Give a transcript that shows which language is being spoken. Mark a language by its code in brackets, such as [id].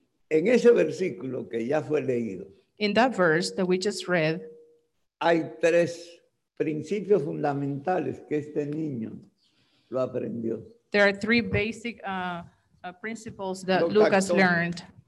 [es] En ese versículo que ya fue leído. [en] In that verse that we just read. [es] Hay tres principios fundamentales que este niño lo aprendió. [en] There are three basic principles that Lucas learned.